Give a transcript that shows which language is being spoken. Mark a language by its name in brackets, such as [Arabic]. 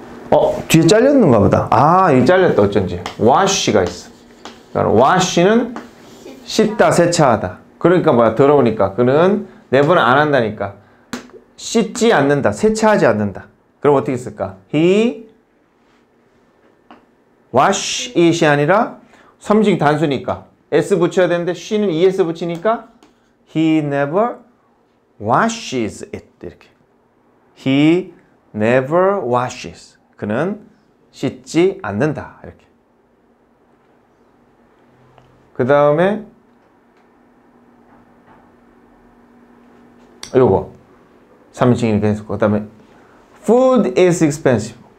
[Korean] 어, 뒤에 잘렸는가 보다. 아, 이게 잘렸다. 어쩐지. wash가 있어. 그러니까 wash는 씻다, 세차하다. 그러니까 뭐야, 더러우니까. 그는 내분 안 한다니까. 씻지 않는다, 세차하지 않는다. 그럼 어떻게 쓸까? he wash it이 아니라 3인칭 단수니까 s 붙여야 되는데 she는 es 붙이니까 [English] he never washes it [Korean] 이렇게. [English] he never washes. [Korean] 그는 씻지 않는다 이렇게. 그 다음에 요거 3인칭 이렇게 했었고, 그 다음에 [English] food is expensive.